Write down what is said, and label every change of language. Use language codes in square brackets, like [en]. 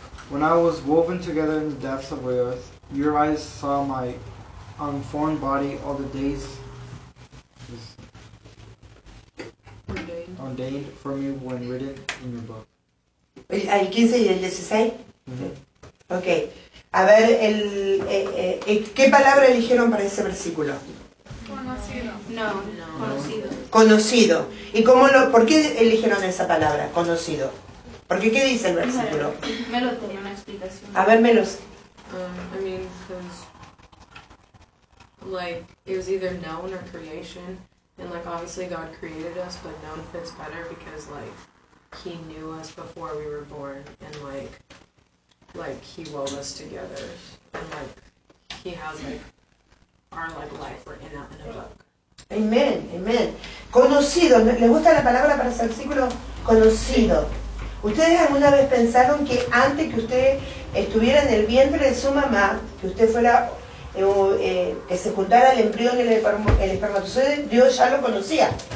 [en] When I was woven together in the depths of the earth, your eyes saw my unformed body all the days ordained for me when written in your book. [es] El 15 y el 16? Mm-hmm. [en] Okay. [es] A ver, ¿qué palabra eligieron para ese versículo? Conocido. ¿Y cómo por qué eligieron esa palabra, conocido? Porque qué dice el versículo? Melo tenía una explicación. A ver, Melos. [en] I mean, because like it was either known or creation, and like obviously God created us, but known fits better because like He knew us before we were born, and like He wove us together, and like He has like our like life written out in a book. [es] Amén, amén. Conocido, ¿les gusta la palabra para ese versículo? Conocido. ¿Ustedes alguna vez pensaron que antes que usted estuviera en el vientre de su mamá, que usted fuera, que se juntara el embrión y el espermatozoide, Dios ya lo conocía?